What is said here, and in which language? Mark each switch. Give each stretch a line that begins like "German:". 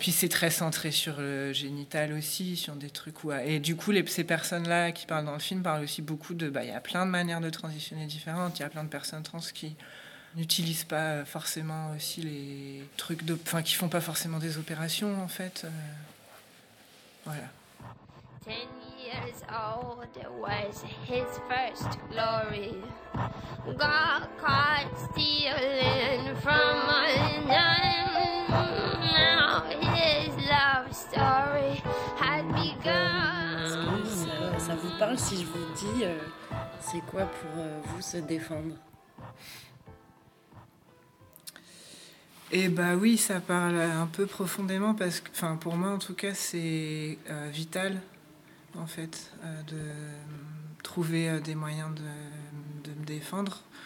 French: Puis c'est très centré sur le génital aussi, sur des trucs où... Et du coup, ces personnes-là qui parlent dans le film parlent aussi beaucoup de... Il y a plein de manières de transitionner différentes. Il y a plein de personnes trans qui n'utilisent pas forcément aussi les trucs de... Enfin, qui font pas forcément des opérations, en fait. Voilà.
English: 10 years old was his first glory. Got caught stealing from a nun. Now his love story had begun.
French: Ça vous parle si je vous dis c'est quoi pour vous se défendre? Eh bah ben oui, ça parle un peu profondément parce que, enfin, pour moi en tout cas, c'est vital en fait de trouver des moyens de me défendre.